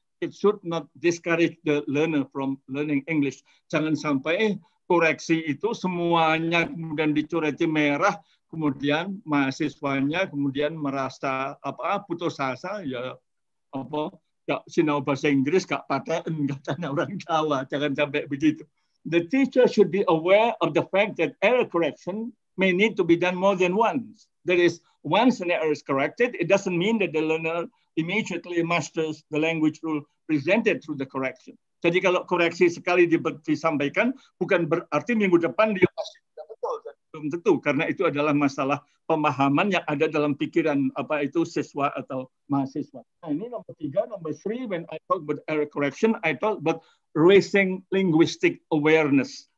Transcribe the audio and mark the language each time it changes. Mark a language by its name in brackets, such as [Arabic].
[English] It should not discourage the learner from learning English. [Indonesian] Jangan sampai koreksi itu semuanya kemudian dicoreti merah, kemudian mahasiswanya kemudian merasa apa putus asa, ya apa [Javanese] gak sinau bahasa Inggris, gak paten, gak tanya orang Jawa. [Indonesian] Jangan sampai begitu. [English] The teacher should be aware of the fact that error correction may need to be done more than once. That is, once an error is corrected, it doesn't mean that the learner immediately masters the language rule presented through the correction. [Indonesian] Jadi kalau koreksi sekali disampaikan, bukan berarti minggu depan dia pasti sudah betul. belum tentu, karena itu adalah masalah pemahaman yang ada dalam pikiran apa itu siswa atau mahasiswa. Nah, ini nomor tiga, nomor [English] three, when I talk about error correction, I talk about raising linguistic awareness.